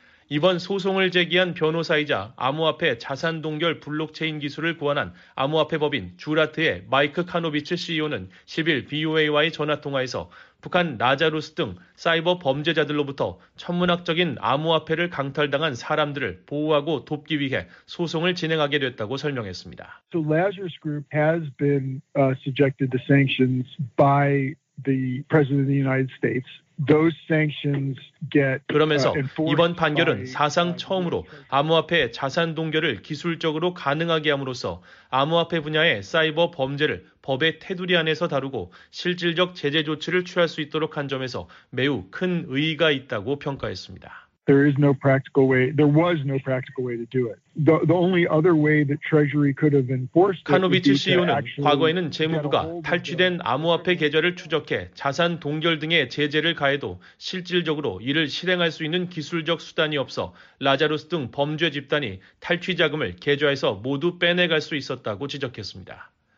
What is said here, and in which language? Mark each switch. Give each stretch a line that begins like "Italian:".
Korean: 이번 소송을 제기한 변호사이자 암호화폐 자산 동결 블록체인 기술을 구현한 암호화폐 법인 주라트의 마이크 카노비츠 CEO는 10일 VOA와의 전화통화에서 북한 라자루스 등 사이버 범죄자들로부터 천문학적인 암호화폐를 강탈당한 사람들을 보호하고 돕기 위해 소송을 진행하게 됐다고 설명했습니다.
English: So Lazarus Group has been subjected to sanctions by the President of the United States. Those sanctions get
Korean: 그러면서 이번 판결은 사상 처음으로 암호화폐 자산 동결을 기술적으로 가능하게 함으로써 암호화폐 분야의 사이버 범죄를 법의 테두리 안에서 다루고 실질적 제재 조치를 취할 수 있도록 한 점에서 매우 큰 의의가 있다고 평가했습니다.
English: There is no practical way. There was no practical way to do it. The only other way that Treasury could have enforced it.
Korean: 카노비츠 CEO는 과거에는 재무부가 탈취된 암호화폐 계좌를 추적해 자산 동결 등의 제재를 가해도 실질적으로 이를 실행할 수 있는 기술적 수단이 없어 라자루스 등 범죄 집단이 탈취 자금을 계좌에서 모두 빼내갈 수 있었다고 지적했습니다.